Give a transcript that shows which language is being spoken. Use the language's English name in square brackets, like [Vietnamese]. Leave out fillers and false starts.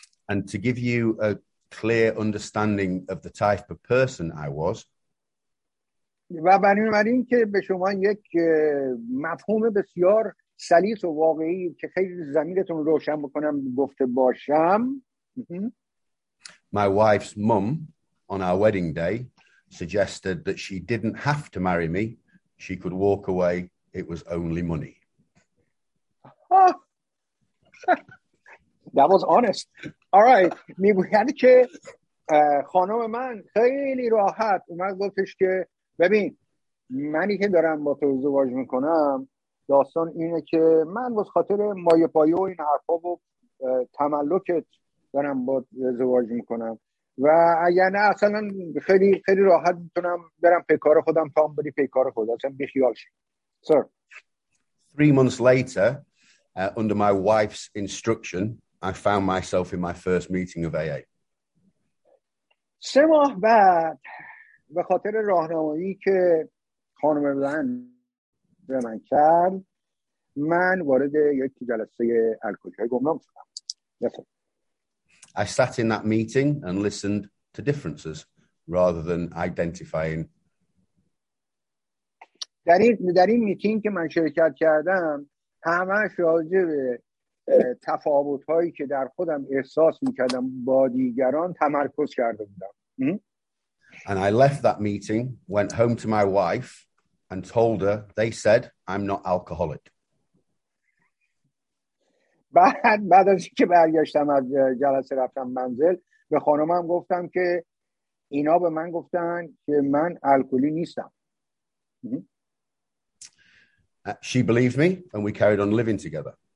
[English] And to give you a clear understanding of the type of person I was. [Persian] و بنابراین که به شما یک مفهوم بسیار سلیس و واقعی که خیلی زمینتون روشن بکنم گفته باشم. [English] my wife's mum on our wedding day suggested that she didn't have to marry me. She could walk away. It was only money. That was honest. All right. [Persian] میگوید که خانم من خیلی راحت اومد گفتش که ببین منی که دارم با تو ازدواج میکنم داستان اینه که من واسه خاطر مایه پایه و این حرفا و تملکت دارم با ازدواج میکنم و یعنی اصلا خیلی خیلی راحت میتونم برم پیکار خودم تا هم بری پیکار خودم اصلا بخیال شد. [English] Sir. 3 months later, under my wife's instruction, I found myself in my first meeting of AA. [Persian] 3 ماه بعد به خاطر راهنمایی که خانم بلند به من کرد من وارد یک جلسه الکلی گمنام شدم. [English] Yes, sir. I sat in that meeting and listened to differences rather than identifying. [Persian] در این میتینگ که من شرکت کردم همش راجع به تفاوت‌هایی که در خودم احساس می‌کردم با دیگران تمرکز کرده بودم. [English] And I left that meeting, went home to my wife and told her, they said I'm not alcoholic. [Persian] بعد از اینکه برگشتم از جلسه رفتم منزل به خانمم گفتم که اینا به من گفتن که من الکلی نیستم. [English] She believed me and we carried on living together.